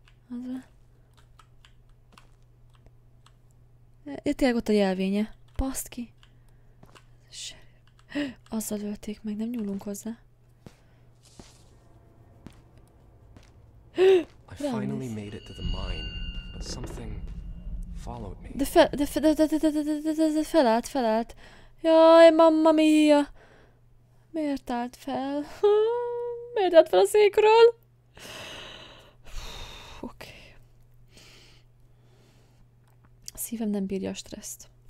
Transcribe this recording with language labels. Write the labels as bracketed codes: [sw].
[hu] Az a... Itt tényleg ott a jelvénye. Baszd ki. Azzal ölték meg, nem nyúlunk hozzá. [en] I finally made it to the mine, but something followed me. [hu] De fel, de fe, de felállt, felállt. Jaj, mamma mia! Miért állt fel? Miért állt fel a székről? A szívem nem bírja a stresszt.